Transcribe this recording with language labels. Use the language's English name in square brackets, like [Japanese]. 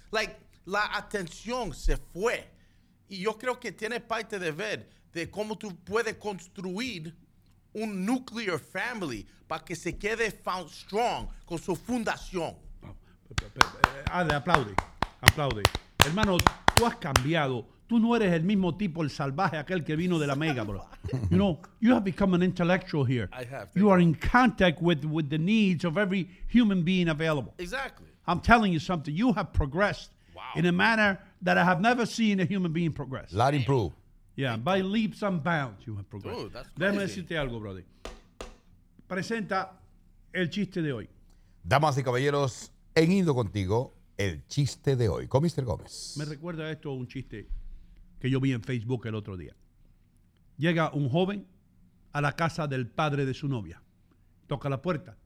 [Spanish] Like, la atención se fue. Y yo creo que tiene parte de ver de cómo tú puedes construir un [English] nuclear family [Spanish] para que se quede strong con su fundación. Aplaude. Hermano, tú has cambiado. Tú no eres el mismo tipo, el salvaje, aquel que vino de la mega, bro. [English] You know, you have become an intellectual here. I have. You are in contact with the needs of every human being available. Exactly. I'm telling you something. You have progressed in a manner that I have never seen a human being progress. Lot improved. Yeah, by leaps and bounds you have progressed. Dude, that's crazy. [Spanish] Déjame decirte algo, brother. Presenta el chiste de hoy. Damas y caballeros, en Ino Contigo, el chiste de hoy con Mr. Gómez. Me recuerda esto a un chiste que yo vi en Facebook el otro día. Llega un joven a la casa del padre de su novia. Toca la puerta.